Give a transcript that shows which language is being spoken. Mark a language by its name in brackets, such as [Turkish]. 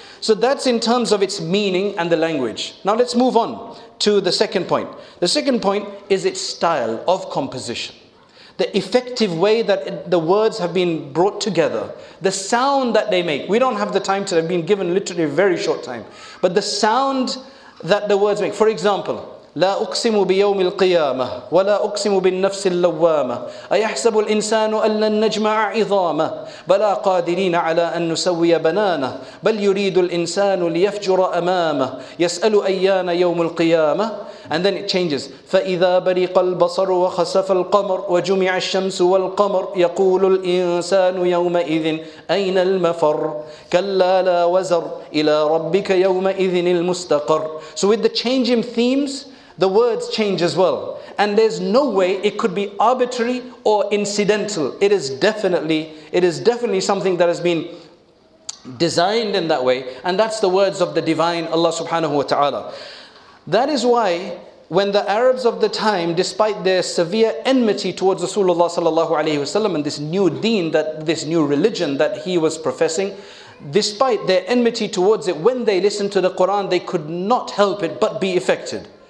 [English] So that's in terms of its meaning and the language. Now let's move on to the second point. The second point is its style of composition. The effective way that the words have been brought together. The sound that they make. We don't have the time to have been given literally a very short time. But the sound that the words make. For example, [Arabic] لا أقسم بيوم القيامة ولا أقسم بالنفس اللوامة أيحسب الإنسان أن لن نجمع عظامه بلا قادرين على أن نسوي بنانه بل يريد الإنسان ليفجر أمامه يسأل أيان يوم القيامة. [English] And then it changes. [Arabic] فإذا برق البصر وخسف القمر وجمع الشمس والقمر يقول الإنسان يومئذ أين المفر كلا لا وزر إلى ربك يومئذ المستقر. [English] So with the changing themes, the words change as well. And there's no way it could be arbitrary or incidental. It is definitely something that has been designed in that way. And that's the words of the divine Allah subhanahu wa ta'ala. That is why when the Arabs of the time, despite their severe enmity towards Rasulullah sallallahu alayhi wa sallam and this new deen, that this new religion that he was professing, despite their enmity towards it, when they listened to the Quran, they could not help it but be affected.